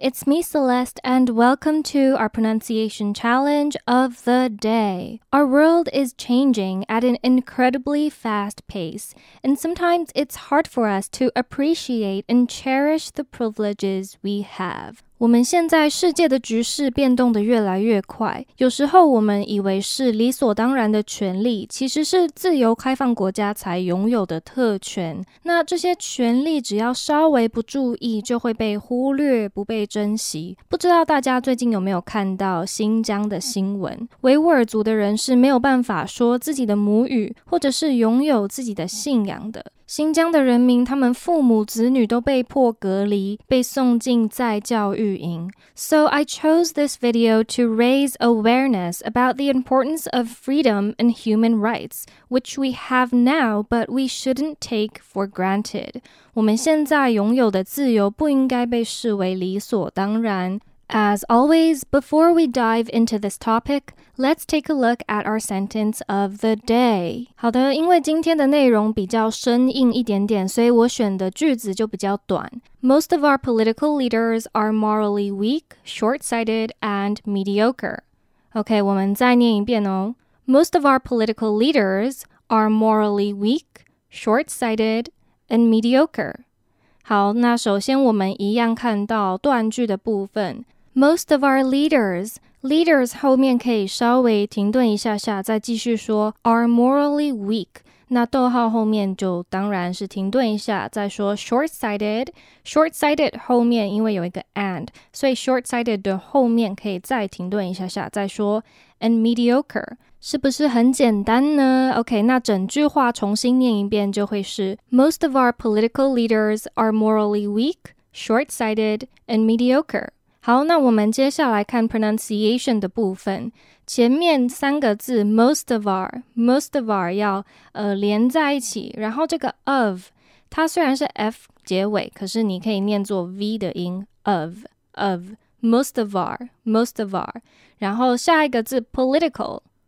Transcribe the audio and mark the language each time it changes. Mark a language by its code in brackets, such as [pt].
[en] It's me, Celeste, and welcome to our pronunciation challenge of the day. Our world is changing at an incredibly fast pace, and sometimes it's hard for us to appreciate and cherish the privileges we have. [zh] 我们现在世界的局势变动得越来越快，有时候我们以为是理所当然的权利，其实是自由开放国家才拥有的特权。那这些权利只要稍微不注意，就会被忽略，不被珍惜。不知道大家最近有没有看到新疆的新闻？维吾尔族的人是没有办法说自己的母语，或者是拥有自己的信仰的。新疆的人民，他们父母子女都被迫隔离，被送进在教育营。 [en] So I chose this video to raise awareness about the importance of freedom and human rights, which we have now, but we shouldn't take for granted. [zh] 我们现在拥有的自由不应该被视为理所当然。 [en] As always, before we dive into this topic, let's take a look at our sentence of the day. [zh] 好的，因为今天的内容比较生硬一点点，所以我选的句子就比较短。 [en] Most of our political leaders are morally weak, short-sighted, and mediocre. [zh] OK, 我们再念一遍哦。 [en] Most of our political leaders are morally weak, short-sighted, and mediocre. [zh] 好，那首先我们一样看到断句的部分。 [en] Most of our leaders [zh] 后面可以稍微停顿一下下，再继续说 [en] are morally weak。 [zh] 那逗号后面就当然是停顿一下，再说 short-sighted。 [en] short-sighted [zh] 后面因为有一个 and， 所以 short-sighted 的后面可以再停顿一下下，再说 [en] and mediocre。 [zh] 是不是很简单呢 ？OK， 那整句话重新念一遍就会是 [en] ：Most of our political leaders are morally weak, short-sighted, and mediocre. [zh] 好，那我们接下来看 pronunciation 的部分。前面三个字 [en] most of our [zh] 要连在一起，然后这个 of 它虽然是 f 结尾，可是你可以念作 v 的音 [en] of most of our， [zh] 然后下一个字 political。